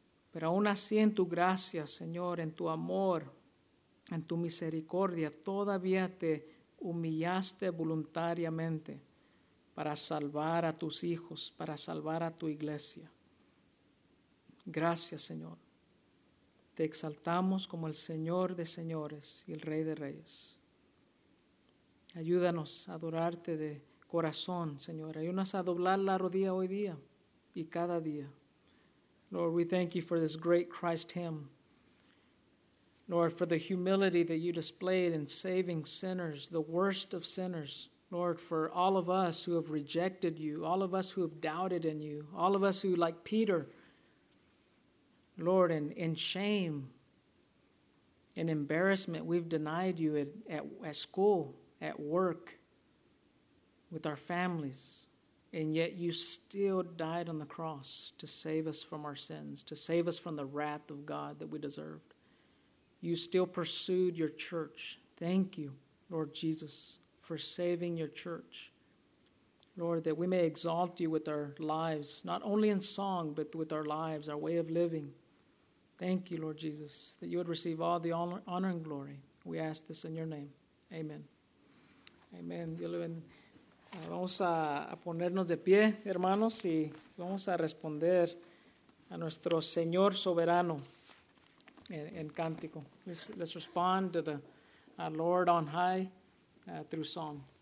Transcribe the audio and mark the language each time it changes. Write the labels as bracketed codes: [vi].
[es] Pero aún así en tu gracia, Señor, en tu amor, en tu misericordia, todavía te humillaste voluntariamente para salvar a tus hijos, para salvar a tu iglesia. Gracias, Señor. Te exaltamos como el Señor de señores y el Rey de reyes. Ayúdanos a adorarte de corazón, Señor. Ayúdanos a doblar la rodilla hoy día y cada día. [en] Lord, we thank you for this great Christ hymn. Lord, for the humility that you displayed in saving sinners, the worst of sinners. Lord, for all of us who have rejected you, all of us who have doubted in you, all of us who, like Peter, Lord, in shame and embarrassment, we've denied you at school, at work, with our families, and yet you still died on the cross to save us from our sins, to save us from the wrath of God that we deserve. You still pursued your church. Thank you, Lord Jesus, for saving your church. Lord, that we may exalt you with our lives, not only in song, but with our lives, our way of living. Thank you, Lord Jesus, that you would receive all the honor and glory. We ask this in your name. Amen. Amen. [es] Vamos a ponernos de pie, hermanos, y vamos a responder a nuestro Señor soberano. En cántico. [en] Let's respond to our Lord on high through song.